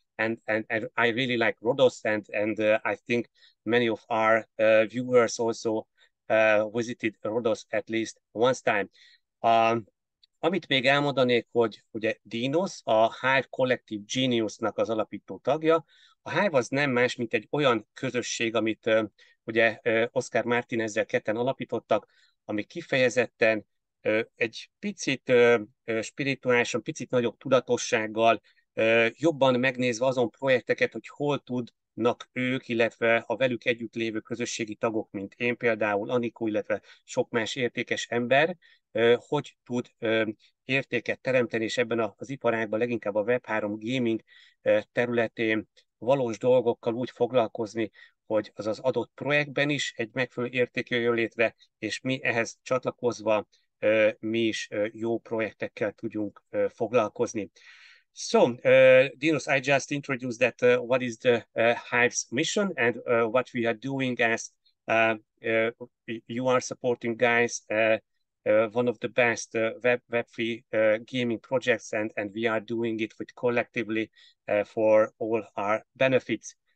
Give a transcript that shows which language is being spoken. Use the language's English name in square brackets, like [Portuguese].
[English] And I really like Rhodes, and I think many of our viewers also visited Rhodes at least once time. [Hungarian] Amit még elmondanék, hogy ugye Dinos a Hive Collective Genius-nak az alapító tagja. A Hive az nem más, mint egy olyan közösség, amit ugye Oscar Martin ezzel ketten alapítottak, ami kifejezetten egy picit spirituálisan, picit nagyobb tudatossággal, jobban megnézve azon projekteket, hogy hol tudnak ők, illetve a velük együtt lévő közösségi tagok, mint én például, Anikó, illetve sok más értékes ember, hogy tud értéket teremteni, és ebben az iparágban leginkább a Web3 gaming területén valós dolgokkal úgy foglalkozni, hogy az az adott projektben is egy megfelelő érték jöjjön létre, és mi ehhez csatlakozva mi is jó projektekkel tudjunk foglalkozni. [English] So, Dinos, I just introduced that what is the Hive's mission and what we are doing as you are supporting guys, one of the best web-free gaming projects, and we are doing it with collectively for all our benefits.